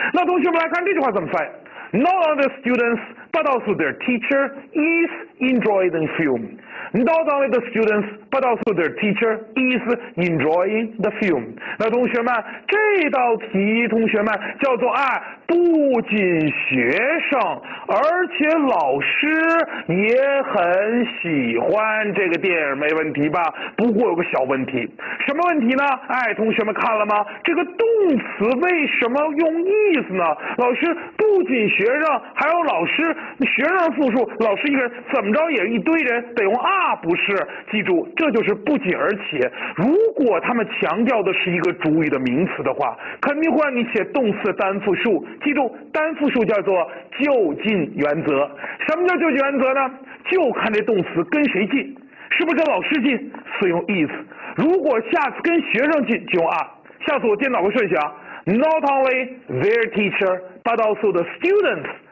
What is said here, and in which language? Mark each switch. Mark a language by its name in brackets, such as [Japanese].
[Chinese] 那同学们来看这句话怎么翻 [English] ？Not only the students, but also their teacher is enjoying film。 Not only the students, but also their teacher is enjoying the film。 [Chinese] 那同学们，这道题同学们叫做哎，不仅学生，而且老师也很喜欢这个电影，没问题吧？不过有个小问题，什么问题呢？哎，同学们看了吗？这个动词为什么用 is 呢？老师不仅学生，还有老师，学生复数，老师一个人，怎么着也一堆人，得用 are。不是，记住，这就是不仅而且。如果他们强调的是一个主语的名词的话，肯定会让你写动词单复数。记住，单复数叫做就近原则。什么叫就近原则呢？就看这动词跟谁近，是不是跟老师近，所以用 is。如果下次跟学生近，就用 are。下次我颠倒个顺序啊 [English] ，Not only their teacher, but also the students。